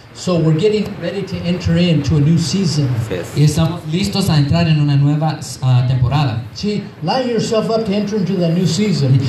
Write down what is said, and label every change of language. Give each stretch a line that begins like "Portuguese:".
English: So we're getting ready to enter into a new season. Yes.
Spanish: Y estamos listos a entrar en una nueva temporada.
English: See, line yourself up to enter into the new season.